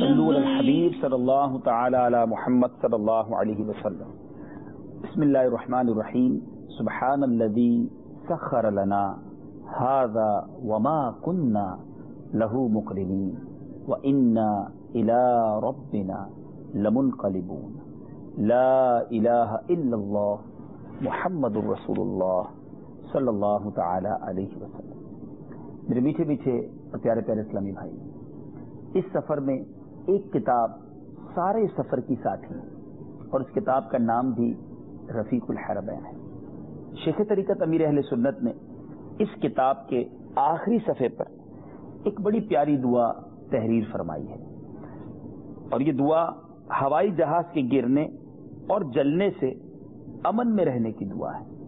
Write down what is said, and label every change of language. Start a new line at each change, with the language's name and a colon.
Arabic: صلوا علی الحبیب صلی اللہ تعالی علی محمد صلی اللہ علیہ وسلم. بسم اللہ الرحمن الرحیم. سبحان الذی سخر لنا هذا وما كنا له مقرنين وإنا إلى ربنا لمنقلبون. لا إله إلا الله محمد رسول الله صلى الله تعالى عليه وسلم.
Urdu: میرے میٹھے میٹھے اور پیارے پیارے اسلامی بھائی، اس سفر میں ایک کتاب سارے سفر کی ساتھی، اور اس کتاب کا نام بھی رفیق الحرمین ہے. شیخ طریقت امیر اہل سنت نے اس کتاب کے آخری صفحے پر ایک بڑی پیاری دعا تحریر فرمائی ہے، اور یہ دعا ہوائی جہاز کے گرنے اور جلنے سے امن میں رہنے کی دعا ہے.